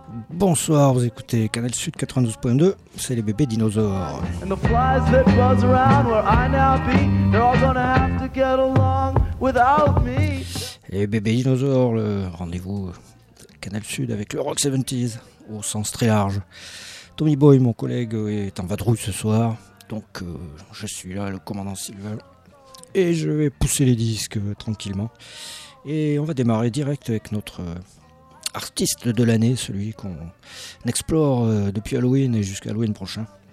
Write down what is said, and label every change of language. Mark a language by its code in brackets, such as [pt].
[fr] Bonsoir, vous écoutez Canal Sud 92.2, c'est les bébés dinosaures. [en] And the flies that buzz around where I now be, they're all gonna have to get along without me. [fr] Les bébés dinosaures, le rendez-vous Canal Sud avec le Rock 70s, au sens très large. Tommy Boy, mon collègue, est en vadrouille ce soir, donc je suis là, le commandant Silver, et je vais pousser les disques tranquillement. Et on va démarrer direct avec notre artiste de l'année, celui qu'on explore depuis Halloween et jusqu'à Halloween prochain.